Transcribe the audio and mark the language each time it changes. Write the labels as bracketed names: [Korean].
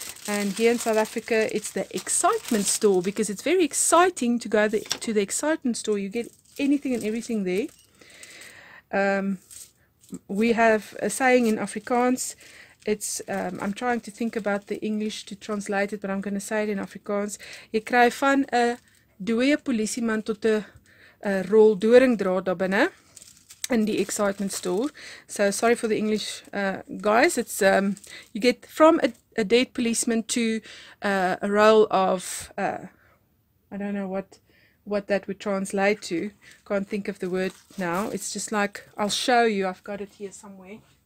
[English] And here in South Africa, it's the excitement store, because it's very exciting to go to the excitement store. You get anything and everything there. We have a saying in Afrikaans. It's, I'm trying to think about the English to translate it, but I'm going to say it in Afrikaans. [Afrikaans] Jy kry van 'n dooie polisieman tot 'n rol doringdraad daar binne in die excitement store. [English] So sorry for the English, guys. It's, you get from a dead policeman to a role of, I don't know what that would translate to. Can't think of the word now. It's just like, I'll show you. I've got it here somewhere.